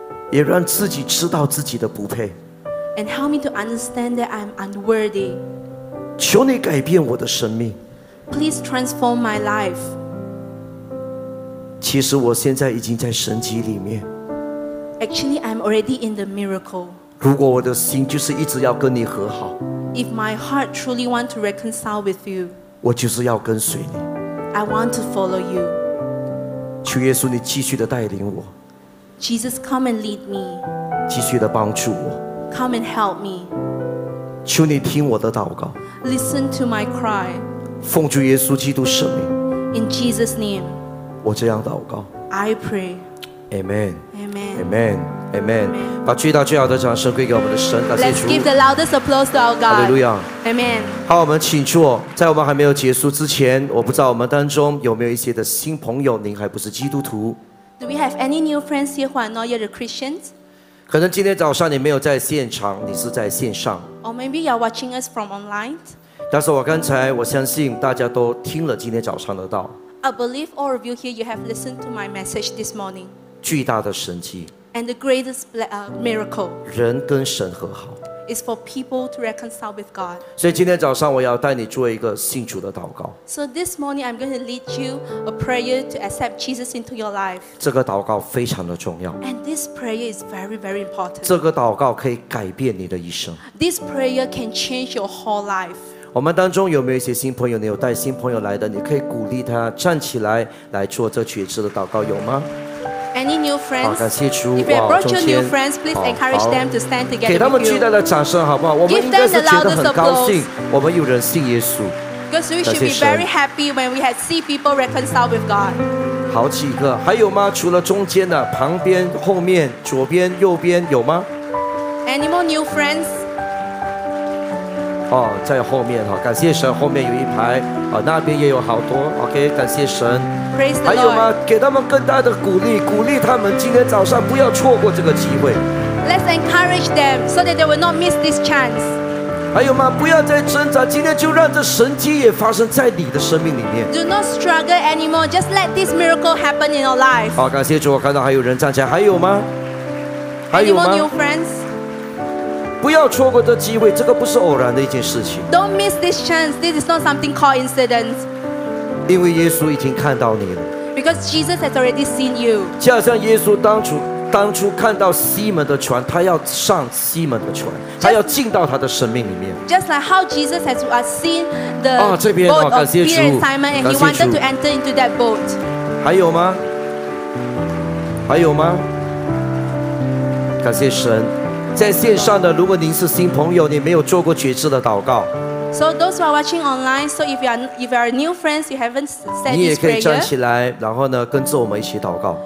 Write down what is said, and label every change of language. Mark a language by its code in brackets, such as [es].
[zh] 也让自己知道自己的不配 [en] and help me to understand that I'm unworthy, [zh] 求你改变我的生命 [en] please transform my life, [zh] 其实我现在已经在神迹里面 [en] Actually, I'm already in the miracle. [zh] 如果我的心就是一直要跟你和好 [en] If my heart truly want to reconcile with you [zh] 我就是要跟随你 [en] I want to follow you [zh] 求耶稣你继续的带领我 [en] Jesus, come and lead me [zh] 继续的帮助我 [en] Come and help me [zh] 求你听我的祷告 [en] Listen to my cry [zh] 奉主耶稣基督圣名 [en] In Jesus' name [zh] 我这样祷告 [en] I pray Amen Amen [zh] Amen Amen 把最大最好的掌声归给我们的神 [en] Let's give the loudest applause to our God Hallelujah Amen [zh] 好我们请坐在我们还没有结束之前我不知道我们当中有没有一些的新朋友您还不是基督徒 [en] Do we have any new friends here who are not yet a Christians? [zh] 可能今天早上你没有在现场你是在线上 [en] Or maybe you're watching us from online [zh] 但是我刚才我相信大家都听了今天早上的道 [en] I believe all of you here, you have listened to my message this morning. [zh] 巨大的神迹 [en] And the greatest miracle. [zh] 人跟神和好 [en] is for people to reconcile with God. [zh] 所以今天早上我要带你做一个信主的祷告 [en] So this morning, I'm going to lead you a prayer to accept Jesus into your life. [zh] 这个祷告非常的重要 [en] And this prayer is very, very important. [zh] 这个祷告可以改变你的一生 [en] This prayer can change your whole life. [zh] 我们当中有没有一些新朋友你有带新朋友来的你可以鼓励他站起来来做这觉知的祷告有吗 [en] Any new friends [zh] 好感谢主 [en] If you brought your new friends Please encourage them to stand together [zh] 给他们巨大的掌声好不好我们应该是觉得很高兴我们有人信耶稣 [en] Because we should be very happy When we had see people reconcile with God [zh] 好几个还有吗除了中间的旁边后面左边右边有吗 [en] Any more new friends [zh] Oh, 在后面感谢神后面有一排那边也有好多 OK 感谢神 [en] Praise the [zh] 还有吗给他们更大的鼓励鼓励他们今天早上不要错过这个机会 [en] Let's encourage them so that they will not miss this chance [zh] 还有吗不要再挣扎今天就让这神迹也发生在你的生命里面 [en] Do not struggle anymore just let this miracle happen in your life [zh] 好感谢主我看到还有人站起来还有吗还有吗 [en] Any more new friends? [zh] 不要错过这机会，这个不是偶然的一件事情。 [en] Don't miss this chance. This is not something called incident. [zh] 因为耶稣已经看到你了。 [en] Because Jesus has already seen you. [zh] 就像耶稣当初看到西门的船，他要上西门的船，他要进到他的生命里面。 [en] Just like how Jesus has seen the boat of Peter and Simon, and he wanted to enter into that boat. [zh] 还有吗？还有吗？感谢神。在线上的如果您是新朋友你没有做过觉知的祷告 [en] So those who are watching online So if you are new friends You haven't said this prayer [zh] 你也可以站起来然后呢跟着我们一起祷告